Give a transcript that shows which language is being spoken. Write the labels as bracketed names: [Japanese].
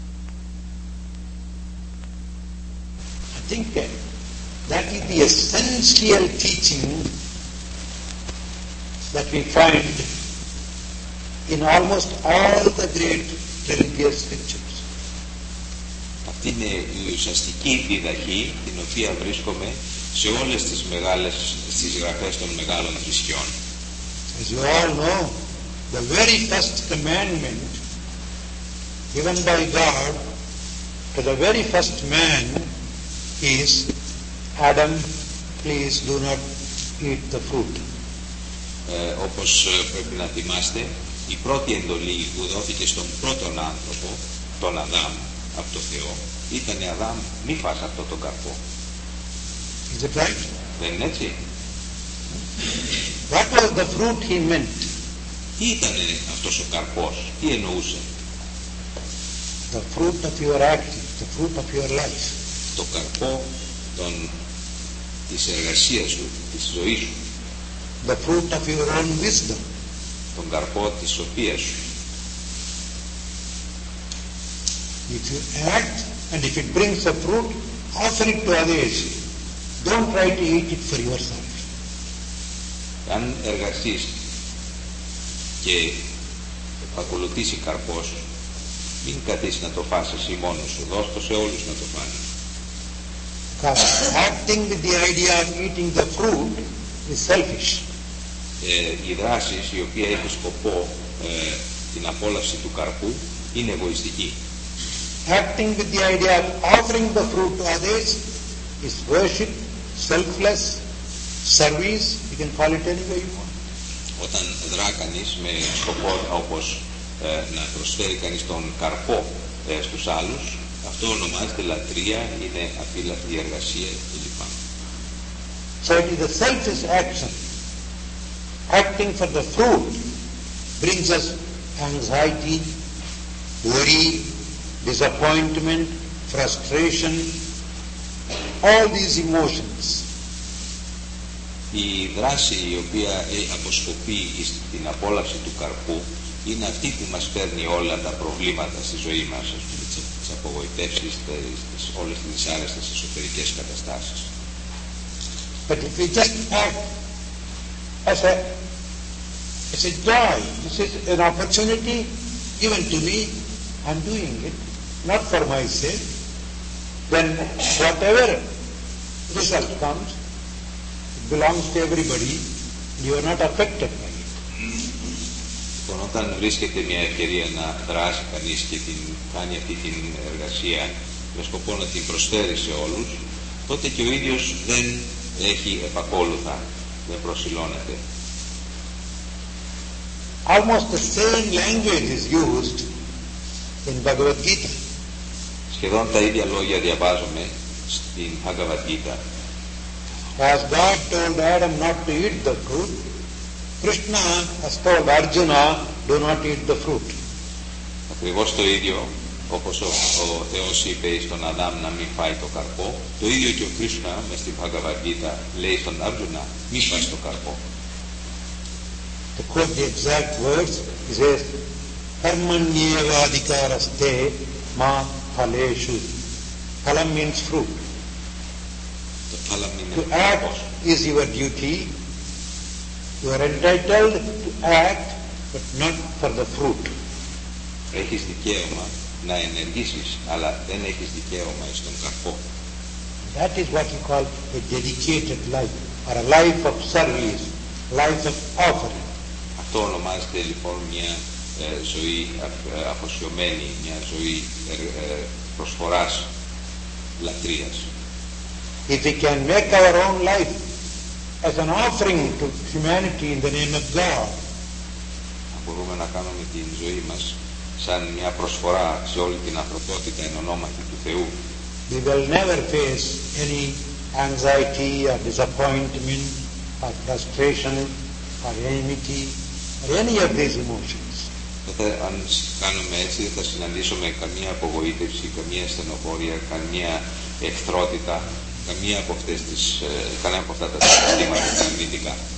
[English] I think that is the essential teaching that we find in almost all the great religious scriptures. [Greek] Αυτή είναι η ουσιαστική διδαχή την οποία βρίσκουμε σε όλες τις μεγάλες στις γραφές των μεγάλων θρησκειών. [English] As you all know, the very first commandment given by God to the very first man is, Adam, please do not eat the fruit. [Greek] Όπως πρέπει να θυμάστε, η πρώτη εντολή που δόθηκε στον πρώτον άνθρωπο, τον Αδάμ, από το Θεό, ήταν Αδάμ, μη φας αυτό τον καρπό. [English] Is it right? [Greek] Δεν είναι έτσι. [English] What was the fruit he meant? [Greek] Τι ήταν αυτός ο καρπός, τι εννοούσε? [English] The fruit of your actions, the fruit of your life. [Greek] Το καρπό των, της εργασίας σου, της ζωής σου. [English] The fruit of your own wisdom. [Greek] Τον καρπό της σοφίας σου. [English] If you act and if it brings a fruit, offer it to others. Don't try to eat it for yourself. [Greek] Αν εργαστείς και ακολουθήσει καρπός, μην καθείς να το φας εσύ μόνος σου, δώσ' το σε όλους να το φάνε. [English] Because acting with the idea of eating the fruit is selfish. [Greek] Οι δράσεις οι οποίες έχουν σκοπό την απόλαυση του καρπού είναι εγωιστική. [English] Acting with the idea of offering the fruit to others is worship, selfless, service, you can call it any way you want. [Greek] Όταν δρά κανείς με σκοπό όπως να προσφέρει κανείς τον καρπό στους άλλους, αυτό ονομάζεται λατρεία, είναι αφύλακτη εργασία κλπ. [English] So it is a selfish action. Acting for the fruit brings us anxiety, worry, disappointment, frustration, all these emotions. [Greek] Η δράση η οποία αποσκοπεί την απόλαυση του καρπού είναι αυτή που μας φέρνει όλα τα προβλήματα στη ζωή μας, ας πούμε, τις απογοητεύσεις, όλες τις δυσάρεστες εσωτερικές καταστάσεις. [English] But if we just act as a joy, this is an opportunity given to me, I'm doing it, not for myself, then whatever result comes, it belongs to everybody, you are not affected by it. [Greek] Λοιπόν, όταν βρίσκεται μια ευκαιρία να δράσει κανείς και την κάνει αυτή την εργασία με σκοπό να την προσφέρει σε όλους, τότε και ο ίδιος δεν έχει επακόλουθα, δεν προσιλώνεται. [English] Almost the same language is used in Bhagavad Gita. [Greek] Σχεδόν τα ίδια λόγια διαβάζουμε στην Bhagavad Gita. [English] As God told Adam not to eat the fruit, Krishna has told Arjuna, do not eat the fruit. [Greek] Ακριβώς το ίδιο, όπως ο Θεός είπε στον Αδάμ να μην φάει το καρπό, το ίδιο και ο Κρίσνα μες στην Bhagavad Gita λέει στον Άρτζουνα, μην φάει το καρπό. [English] To quote the exact words, he says, [Sanskrit] Karmanyeva adhikaraste ma phaleshu. [English] Phalam means fruit. The phalam means to act is your duty. You are entitled to act, but not for the fruit. [Greek] Έχεις δικαίωμα να ενεργήσεις, αλλά δεν έχεις δικαίωμα στον καρπό. [English] That is what you call a dedicated life, or a life of service, life of offering. [Greek] Αυτό ονομάζεται λοιπόν μια ζωή αφοσιωμένη, μια ζωή προσφοράς, λατρείας. [English] If we can make our own life as an offering to humanity in the name of God. [Greek] Αν μπορούμε να κάνουμε την ζωή μας σαν μια προσφορά σε όλη την ανθρωπότητα εν ονόματι του Θεού. [English] We will never face any anxiety or disappointment or frustration or enmity or any of these emotions. [Greek] Τότε αν κάνουμε έτσι δεν θα συναντήσουμε καμία απογοήτευση, καμία στενοχώρια, καμία εχθρότητα, καμία από αυτές τις, κανένα από αυτά τα συναισθήματα τα αρνητικά.